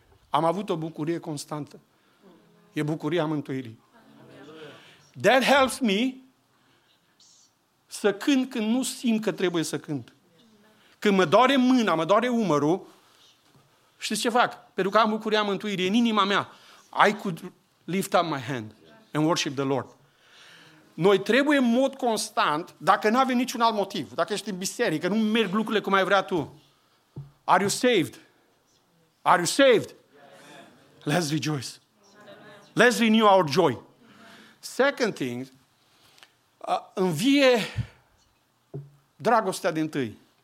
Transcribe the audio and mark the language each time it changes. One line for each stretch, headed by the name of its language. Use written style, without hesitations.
Romanian: Am avut o bucurie constantă. E bucuria mântuirii.
English: That helps me
Romanian: să cânt când nu simt că trebuie să cânt. Când mă doare mâna, mă doare umărul, știți ce fac? Pentru că am bucuria mântuirii în inima mea.
English: I could lift up my hand and worship the Lord.
Romanian: Noi trebuie în mod constant, dacă nu avem niciun alt motiv, dacă ești în biserică, nu merg lucrurile cum ai vrea tu.
English: Are you saved? Are you saved? Let's rejoice. Let's renew our joy. Second thing,
Romanian: învie dragostea din tâi.